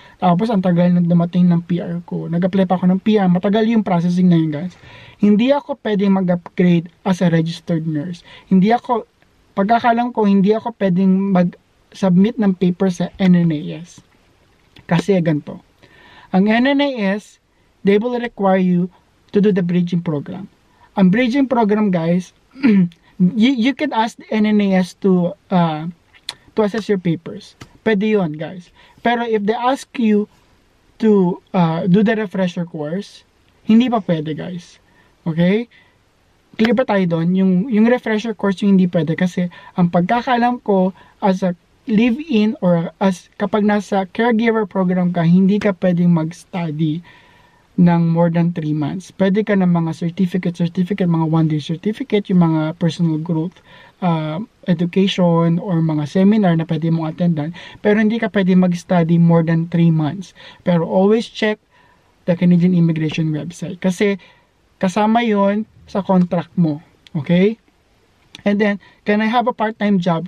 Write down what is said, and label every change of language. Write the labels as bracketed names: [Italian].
[Filipino] Tapos ang tagal na dumating ng PR ko. Nag-apply pa ako ng PR. Matagal yung processing na yun, guys. Hindi ako pwedeng mag-upgrade [English] as a registered nurse. [Filipino] Hindi ako pwedeng mag-submit ng paper sa NNAS. Kasi ganito. Ang [English] NNAS, they will require you to do the bridging program. Ang bridging program, guys, you can ask the NNAS to assess your papers. [Filipino] Pwede yun, guys. [English] Pero if they ask you to do the refresher course, [Filipino] hindi pa pwede, [English] guys. [Filipino] Okay? Clear pa tayo doon? Yung refresher course yung hindi pwede. Kasi ang pagkakalam ko, as a live-in or as kapag nasa caregiver program ka, hindi ka pwedeng mag-study ng [English] more than 3 months. [Filipino] Pwede ka ng mga certificate, mga one-day certificate, yung mga personal growth education or mga seminar na pwede mong attendan. Pero hindi ka pwede mag-study [English] more than 3 months. Pero always check the Canadian Immigration website. [Filipino] Kasi kasama yon sa contract mo. [English] Okay? And then, can I have a part-time job?